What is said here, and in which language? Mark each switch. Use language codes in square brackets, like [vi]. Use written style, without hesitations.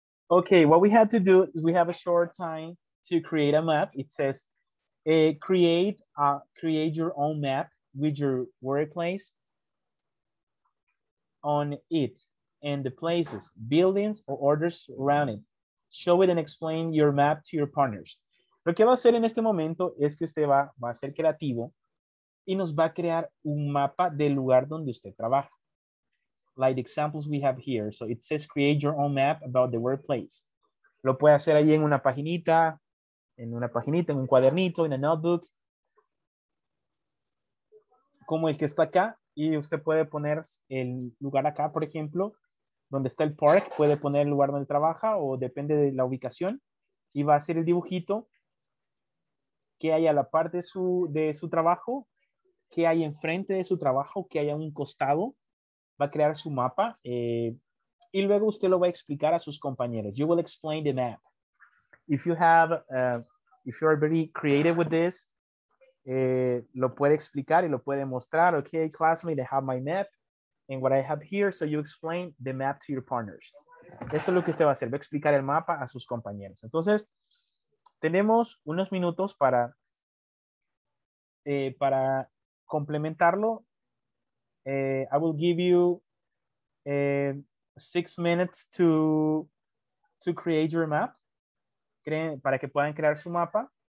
[en] Okay, what we had to do is we have a short time to create a map. It says create your own map with your workplace. On it and the places, buildings or orders around it. Show it and explain your map to your partners. [es] Lo que va a hacer en este momento es que usted va a ser creativo y nos va a crear un mapa del lugar donde usted trabaja. [en] Like the examples we have here. So it says create your own map about the workplace. [es] Lo puede hacer ahí en una paginita, en un cuadernito, en un notebook. Como el que está acá. Y usted puede poner el lugar acá, por ejemplo, donde está el park, puede poner el lugar donde trabaja o depende de la ubicación. Y va a hacer el dibujito que hay a la parte de su trabajo, que hay enfrente de su trabajo, que hay a un costado. Va a crear su mapa y luego usted lo va a explicar a sus compañeros. [en] You will explain the map. If you are very creative with this, [es] lo puede explicar y lo puede mostrar. [en] Okay, classmate, I have my map and what I have here. So you explain the map to your partners. [es] Eso es lo que usted va a hacer, va a explicar el mapa a sus compañeros. Entonces, tenemos unos minutos para complementarlo. [en] I will give you 6 minutes to create your map, [es] para que puedan crear su mapa.